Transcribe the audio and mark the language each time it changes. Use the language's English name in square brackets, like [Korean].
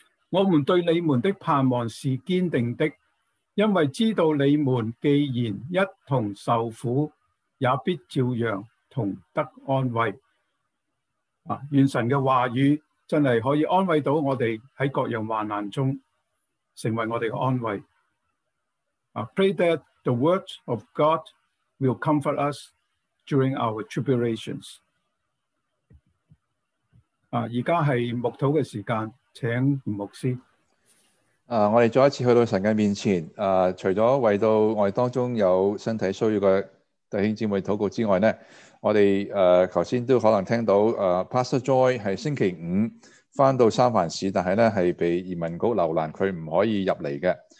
[Chinese] 我们对你们的盼望是坚定的，因为知道你们既然一同受苦，也必照样同得安慰。愿神的话语真的可以安慰到我们在各样患难中，成为我们的安慰。 [English] Pray that the words of God will comfort us during our tribulations. [Chinese] 现在是牧祷的时间，请吴牧师。我们再一次去到神的面前，除了为到我们当中有身体需要的弟兄姊妹祷告之外呢，我们刚才都可能听到Pastor Joy 是星期五回到三藩市，但是呢是被移民局留难，他不可以入来的。